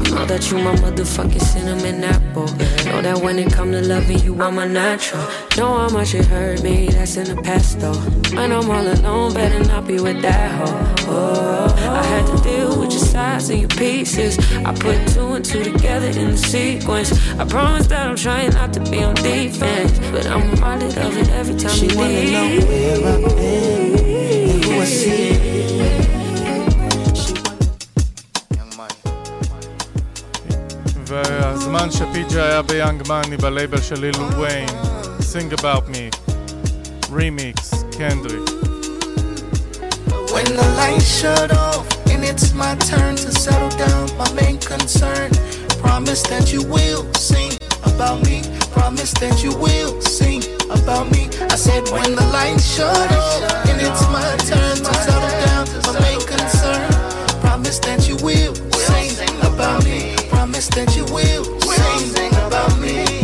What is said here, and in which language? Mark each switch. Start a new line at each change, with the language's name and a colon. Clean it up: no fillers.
English: Know that you my motherfucking cinnamon apple Know that when it come to loving you, I'm a natural Know how much it hurt me, that's in the past though And I'm all alone, better not be with that hoe oh, I had to deal with your sides and your pieces I put two and two together in the sequence I promise that I'm trying not to be on defense But I'm reminded of it every time She you leave She wanna know where I've been And who I see
Hebrew: והזמן שפיג'ה היה ביאנג מני בלייבל של ליל וויין Sing About Me Remix Kendrick
English: When the lights shut off And it's my turn to settle down My main concern Promise that you will sing about me Promise that you will sing about me I said when the lights shut off And it's my turn to settle down My main concern Promise that you will sing about me That you will sing about me